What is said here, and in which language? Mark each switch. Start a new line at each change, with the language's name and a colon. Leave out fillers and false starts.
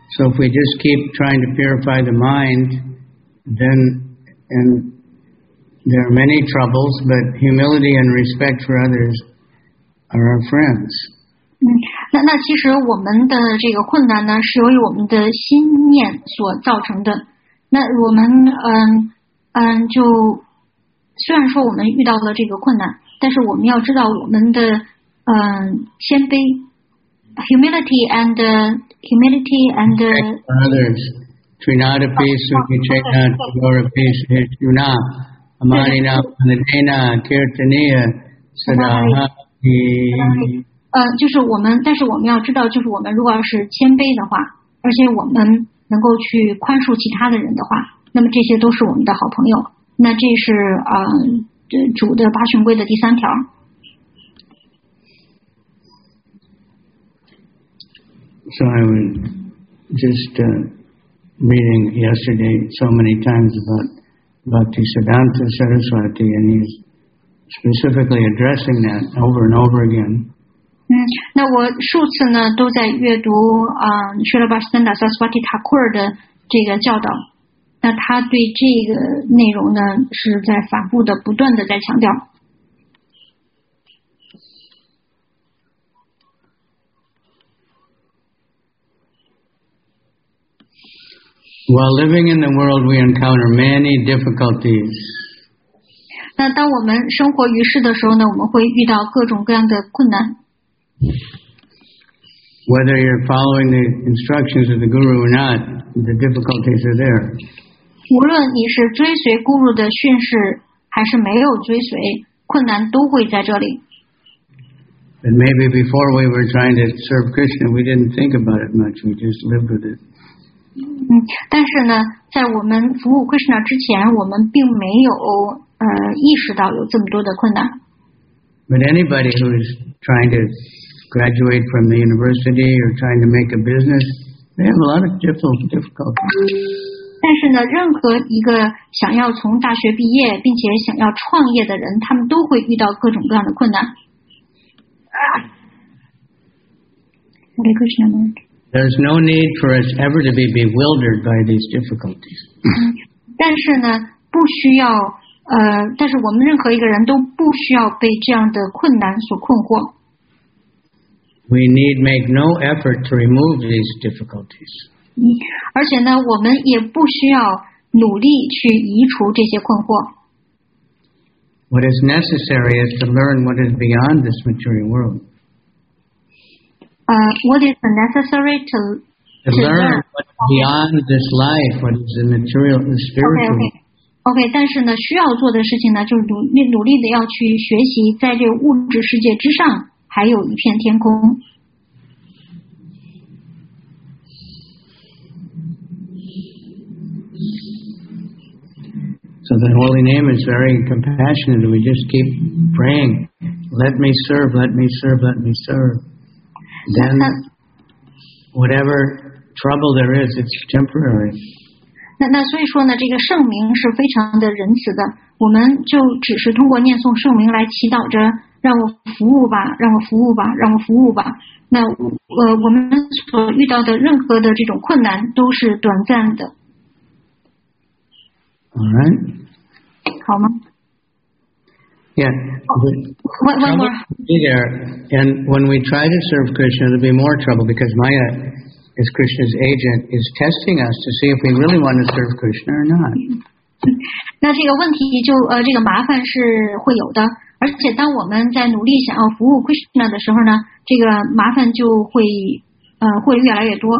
English: So if we just keep trying to purify the mind, then andThere are many troubles, but humility and respect for others are our friends.
Chinese: 那其实我们的这个困难呢，是由于我们的心念所造成的。那我们嗯，就虽然说我们遇到了这个困难，但是我们要知道我们的谦卑
English: humility and others trinada pesu kichana yora pesu yuna amarina panadena kirtaniya sadaha hi。
Chinese: 就是我们，但是我们要知道，就是我们如果要是谦卑的话，而且我们能够去宽恕其他的人的话，那么这些都是我们的好朋友。那这是主的八训规的第三条。
English: So I was just reading yesterday so many times about Bhaktisiddhanta Saraswati, and he's specifically addressing that over and over again.
Chinese: 那我数次呢都在阅读Srila Bhaktisiddhanta Saraswati Thakur 的这个教导，那他对这个内容呢是在反复的不断的在强调。
English: While living in the world, we encounter many difficulties.
Chinese: 那当我们生活于世的时候呢，我们会遇到各种各样的困难。
English: Whether you're following the instructions of the guru or not, the difficulties are there.
Chinese: 无论你是追随 guru 的训示，还是没有追随，困难都会在这里。
English: But maybe before we were trying to serve Krishna, we didn't think about it much. We just lived with it.
Chinese: 但是呢，在我们服务 Krishna 之前，我们并没有意识到有这么多的困难。
English: But anybody who is trying to graduate from the university or trying to make a business, they have a lot of difficulties.
Chinese: 但是呢，任何一个想要从大学毕业并且想要创业的人，他们都会遇到各种各样的困难。
English: Hare Krishna, Lord. There's no need for us ever to be bewildered by these difficulties.
Chinese: 但是呢，不需要。但是我们任何一个人都不需要被这样的困难所困惑。
English: We need make no effort to remove these difficulties.
Chinese: 而且呢，我们也不需要努力去移除这些困惑。
English: What is necessary is to learn what is beyond this material world. What is necessary to learn what's beyond this life, what is the material, the spiritual. Okay, okay.
Chinese: OK, 但是呢需要做的事情呢就是努力的要去学习在这物质世界之上还有一片天空。
English: So the Holy Name is very compassionate. We just keep praying, let me serve, let me serve, let me serve. Then whatever trouble there is, it's temporary.
Chinese: 那所以说呢，这个圣名是非常的仁慈的，我们就只是通过念诵圣名来祈祷着，让我服务吧，让我服务吧，让我服务吧。那我们所遇到的任何的这种困难都是短暂的。
English: All right.
Chinese: 好吗
English: ？Yeah. One more. Be there, and when we try to serve Krishna, there'll be more trouble because Maya. As Krishna's agent is testing us to see if we really want to serve Krishna or not.
Chinese: 那这个问题就这个麻烦是会有的，而且当我们在努力想要服务 Krishna 的时候呢，这个麻烦就会会越来越多。